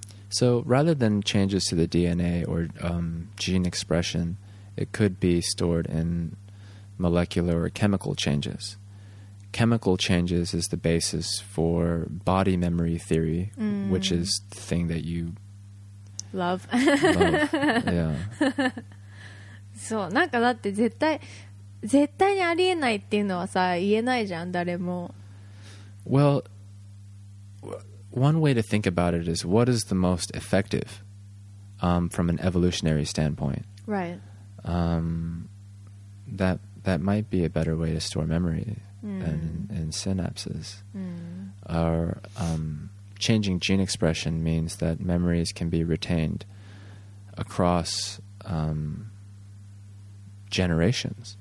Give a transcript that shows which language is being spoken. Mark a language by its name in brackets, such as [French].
[English] So rather than changes to the DNA or gene expression, it could be stored in molecular or chemical changes. Chemical changes is the basis for body memory theory, which is the thing that you love. Love. Yeah. [Japanese] そう、なんかだって絶対にありえないっていうのはさ、言えないじゃん、誰も。 [English] Well, one way to think about it is, what is the most effective from an evolutionary standpoint? Right. That might be a better way to store memory. And synapses are changing gene expression means that memories can be retained across generations.